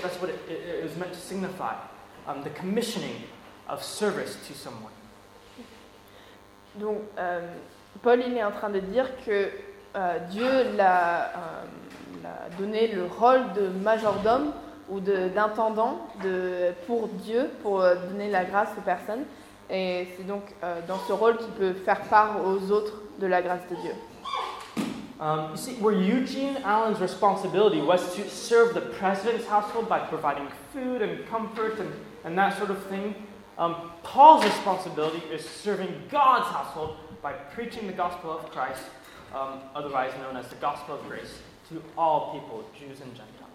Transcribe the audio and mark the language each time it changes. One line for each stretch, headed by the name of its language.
English: That's what it was meant to signify, the commissioning of service to someone.
French: Donc, Paul, il est en train de dire que Dieu l'a donné le rôle de majordome ou d'intendant pour Dieu, pour donner la grâce aux personnes. Et c'est donc dans ce rôle qu'il peut faire part aux autres de la grâce de Dieu.
English: You see, where Eugene Allen's responsibility was to serve the president's household by providing food and comfort and that sort of thing, Paul's responsibility is serving God's household by preaching the gospel of Christ, otherwise known as the gospel of grace, to all people, Jews and Gentiles.